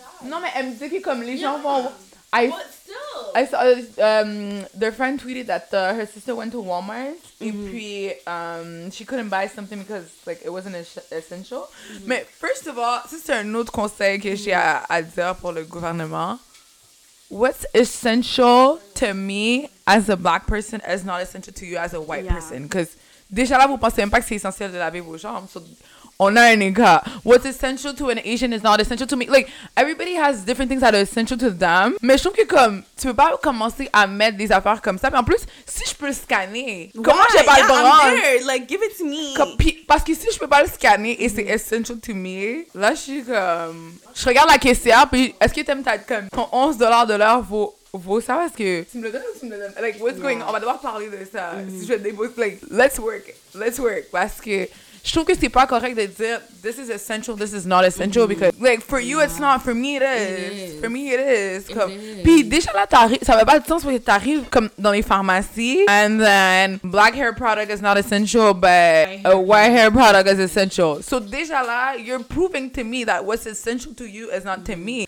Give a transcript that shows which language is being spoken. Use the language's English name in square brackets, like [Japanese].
[French] Non, mais elle me dit que comme les gens vont... [English] But still. I saw their friend tweeted that her sister went to Walmart. Mm-hmm. [French] Et puis, [English] she couldn't buy something because like it wasn't essential. Mm-hmm. [French] Mais [English] first of all, [French] ça c'est un autre conseil que j'ai à dire pour le gouvernement. [English] What's essential to me as a black person is not essential to you as a white person. [French] Because déjà là, vous pensez même pas que c'est essentiel de laver vos jambes. So, on a un gars. [English] What's essential to an Asian is not essential to me. Like, everybody has different things that are essential to them. [French] Mais je trouve que comme, tu peux pas commencer à mettre des affaires comme ça. Mais en plus, si je peux le scanner, comment j'ai pas le bronze? [English] I'm there. Like, give it to me. [French] Parce que si je peux pas le scanner et c'est [English] essential to me, [French] là, je suis comme... Je regarde la caissière, puis est-ce que t'aimes ta comme ton 11$ de l'heure vaut ça parce que... Tu me le donnes ou tu me le donnes? [English] Like, what's going on? [French] On va devoir parler de ça. Si je vais débourser, like, [English] let's work. [French] Parce que je trouve que c'est pas correct de dire, [English] this is essential, this is not essential. [French] Mm-hmm. [English] Because, like, for you, it's not. For me, it is. For me, it is. Comme... [French] Puis déjà là, ça va pas de sens parce que t'arrives comme dans les pharmacies. [English] And then, black hair product is not essential, but a white hair product is essential. So [French] déjà là, [English] you're proving to me that what's essential to you is not to me.